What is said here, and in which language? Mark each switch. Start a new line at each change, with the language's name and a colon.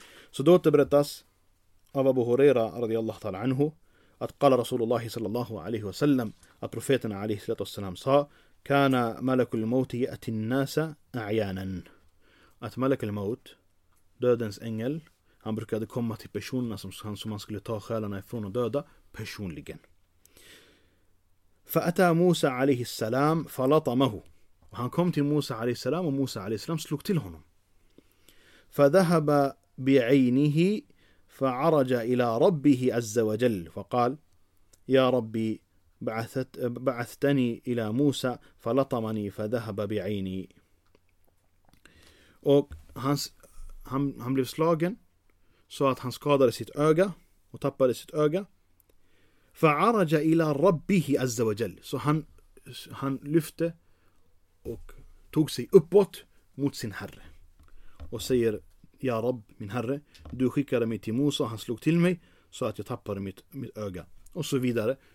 Swedish: Så då återberättas av Abu Huraira radiyallahu ta'ala anhu att qala Rasulullah sallallahu alaihi wasallam, att profeten alaihi wasallam sa,
Arabic: kana malakul maut yati an-nasa a'yanan,
Swedish: att malakul maut, dödens ängel, han brukade komma till personerna som man skulle ta själarna ifrån och döda personligen.
Arabic: Fa'ata Musa alaihi salam falatamahu,
Swedish: och han kom till Musa alaihi salam och Musa alaihi salam slog till honom.
Arabic: Fadhahaba bi'aynihi فعرج إلى ربه عز وجل فقال يا ربي بعثتني إلى موسى فلطمني فذهب بعيني.
Swedish: Och han blev slagen så att han skadade sitt öga och tappade sitt öga.
Arabic: فعرج إلى ربه عز وجل,
Swedish: så han lyfte och tog sig uppåt mot sin herre och säger, ja Rabb, min herre, du skickade mig till Mosa och han slog till mig så att jag tappade mitt öga. Och så vidare.